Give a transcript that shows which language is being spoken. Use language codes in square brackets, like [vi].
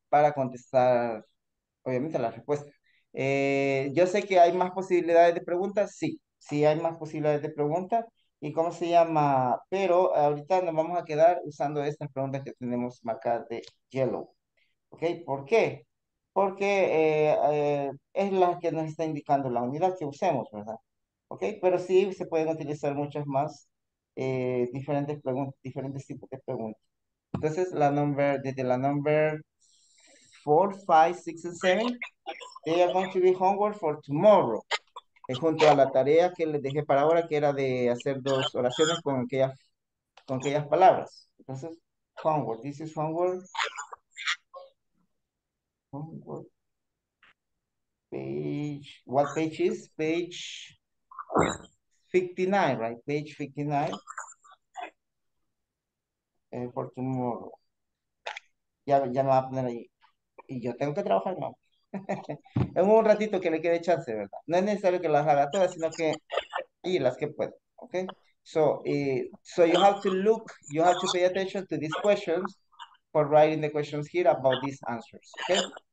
[es] Para contestar, obviamente, la respuesta. Yo sé que hay más posibilidades de preguntas, sí hay más posibilidades de preguntas, y cómo se llama, pero ahorita nos vamos a quedar usando estas preguntas que tenemos marcadas de yellow, ¿ok? ¿Por qué? Porque es la que nos está indicando la unidad que usemos, ¿verdad? ¿Ok? Pero sí se pueden utilizar muchas más diferentes tipos de preguntas. Entonces, desde la [en] number 4, 5, 6, and 7, they are going to be homework for tomorrow. [es] Junto a la tarea que les dejé para ahora, que era de hacer dos oraciones con aquellas palabras. [en] Entonces, homework. This is homework. Homework. Page. What page is? Page 59, right? Page 59. For tomorrow. [es] Ya me va a poner ahí. Y yo tengo que trabajar, ¿no? En un ratito que le quede chance, ¿verdad? No es necesario que las haga todas, sino que y las que pueda, ¿ok? [en] So you have to look, you have to pay attention to these questions for writing the questions here about these answers, ¿ok?